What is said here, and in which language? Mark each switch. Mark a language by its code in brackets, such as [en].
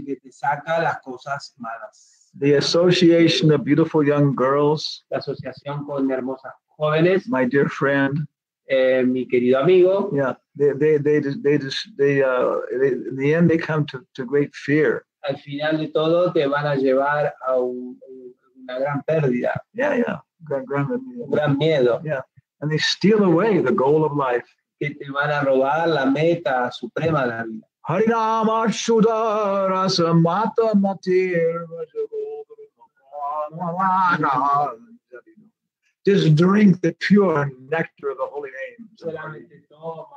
[es] El que te saca las cosas malas. [en] The association of beautiful young girls. [es] La asociación con hermosas jóvenes. [en] My dear friend. [es] Mi querido amigo. [en] Yeah, they in the end they come to great fear. [es] Al final de todo te van a llevar a una gran pérdida. [en] Yeah, yeah. Gran [es] miedo. [en] Yeah, and they steal away the goal of life. [es] Que te van a robar la meta suprema de la vida. [sa] Hari Nama Shuddha Rasa Mata Matir Vajra. [en] Just drink the pure nectar of the holy names.